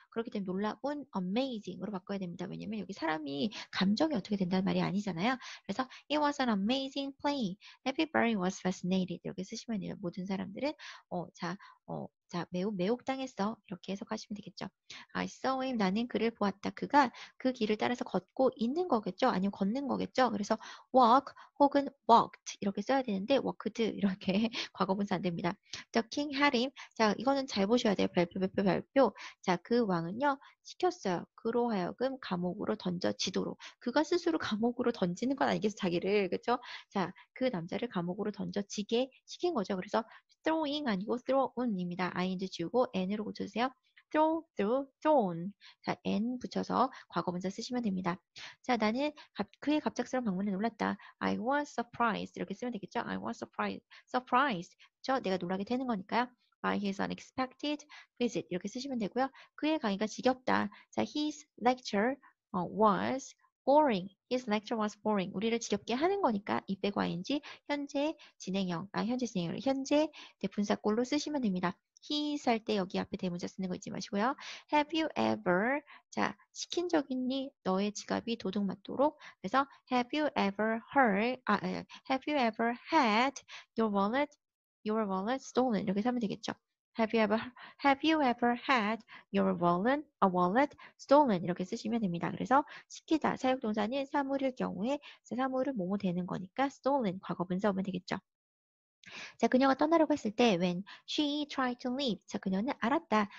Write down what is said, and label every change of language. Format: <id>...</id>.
<ko>그렇기 때문에 놀라운 amazing으로 바꿔야 됩니다. 왜냐면 여기 사람이 감정이 어떻게 된다는 말이 아니잖아요.</ko> <en>그래서 it was an amazing play. Everybody was fascinated.</en> <ko>이렇게 쓰시면 돼요. 모든 사람들은 매우 매혹당했어. 이렇게 해석하시면 되겠죠.</ko> <en>I saw him.</en> <ko>나는 그를 보았다. 그가 그 길을 따라서 걷고 있는 거겠죠. 아니면 걷는 거겠죠. 그래서 walk 혹은 walked 이렇게 써야 되는데 walked 이렇게 과거분사 안 됩니다.</ko> <en>The king had him.</en> <ko>자, 이거는 잘 보셔야 돼요. 발표. 자, 그 왕은요. 시켰어요. 그로 하여금 감옥으로 던져지도록. 그가 스스로 감옥으로 던지는 건 아니겠어, 자기를. 그렇죠? 자, 그 남자를 감옥으로 던져지게 시킨 거죠. 그래서 throwing 아니고 thrown입니다. ing 지우고 n으로 고쳐주세요.</ko> <en>throw, through, thrown.</en> <ko>자, n 붙여서 과거분사 쓰시면 됩니다. 자, 나는 그의 갑작스러운 방문에 놀랐다.</ko> <en>I was surprised.</en> <ko>이렇게 쓰면 되겠죠?</ko> <en>I was surprised. 그렇죠?</en> <ko>내가 놀라게 되는 거니까요.</ko> <en>By his unexpected visit.</en> <ko>이렇게 쓰시면 되고요. 그의 강의가 지겹다.</ko> <en>자, his lecture was boring. His lecture was boring.</en> <ko>우리를 지겹게 하는 거니까 if 빼고 ing 현재 진행형, 현재 진행형, 현재 대분사꼴로 쓰시면 됩니다. His 할때 여기 앞에 대문자 쓰는 거 잊지 마시고요.</ko> <en>Have you ever,</en> <ko>자, 시킨 적 있니? 너의 지갑이 도둑 맞도록.</ko> <en>그래서 have you ever heard, 아, have you ever had your wallet stolen</en> <ko>이렇게 하면 되겠죠.</ko> <en>Have you ever had your wallet a wallet stolen</en> <ko>이렇게 쓰시면 됩니다. 그래서 시키다 사역동사는 사물일 경우에 사물을 뭐뭐 되는 거니까 stolen 과거분사 오면 되겠죠. 자, 그녀가 떠나려고 했을 때</ko> <en>when she tried to leave</en> <ko>자, 그녀는 알았다.</ko>